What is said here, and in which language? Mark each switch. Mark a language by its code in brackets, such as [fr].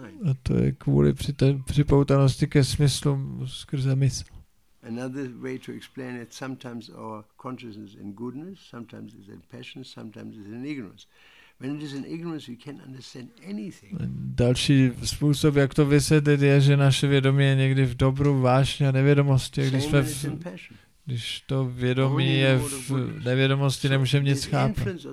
[cs] A to je kvůli připoutanosti ke smyslům skrze mysl. [en] Another way to explain it, sometimes our consciousness is in goodness, sometimes it's in passion, sometimes it's in ignorance. When it is in ignorance, we can't understand anything. [cs] Další způsob, jak to vysvětlit, je, že naše vědomí je někdy v dobru, vášně a nevědomosti. Když to vědomí je v nevědomosti, nemůžeme nic chápat.